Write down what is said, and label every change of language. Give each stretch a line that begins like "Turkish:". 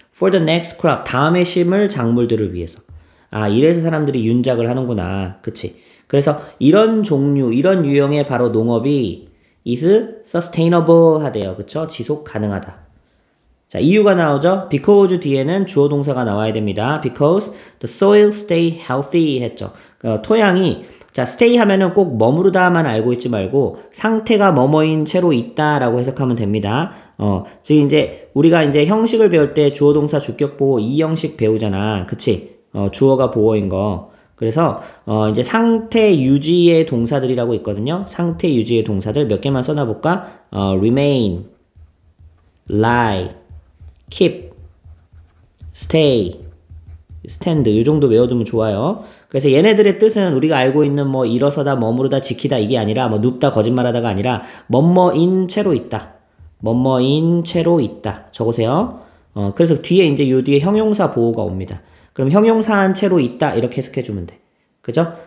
English: For the next crop,
Korean: 다음에 심을 작물들을 위해서. 아, 이래서 사람들이 윤작을 하는구나. 그치? 그래서 이런 종류, 이런 유형의 바로 농업이
English: is sustainable
Korean: 하대요. 그쵸? 지속 가능하다. 자, 이유가 나오죠? Because 뒤에는 주어 동사가 나와야 됩니다.
English: Because the soil stay healthy
Korean: 했죠. 토양이, 자, stay 하면은 꼭 머무르다만 알고 있지 말고, 상태가 머머인 채로 있다라고 해석하면 됩니다. 지금 이제 우리가 이제 형식을 배울 때 주어 동사 주격 보호 이 형식 배우잖아. 그치? 주어가 보호인 거. 그래서 이제 상태 유지의 동사들이라고 있거든요. 상태 유지의 동사들 몇 개만 써놔볼까?
English: Remain, lie, keep, stay, stand
Korean: 이 정도 외워두면 좋아요. 그래서 얘네들의 뜻은 우리가 알고 있는 뭐 일어서다, 머무르다, 지키다 이게 아니라 뭐 눕다, 거짓말하다가 아니라 멈머인 채로 있다. 멈머인 채로 있다. 적으세요. 그래서 뒤에 이제 요 뒤에 형용사 보호가 옵니다. 그럼 형용사한 채로 있다 이렇게 해석해 주면 돼. 그죠?